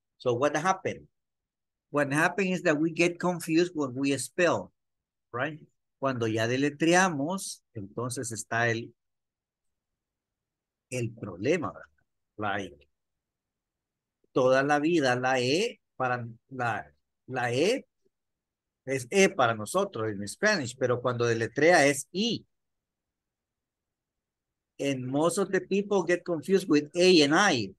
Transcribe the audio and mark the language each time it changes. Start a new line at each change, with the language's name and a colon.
English: So what happened? What happened is that we get confused when we spell, right?
Spanish: Cuando ya deletreamos, entonces está el problema, ¿verdad? La E. Toda la vida la E, para la E es E para nosotros en Spanish, pero cuando deletrea es I.
English: And most of the people get confused with A and I.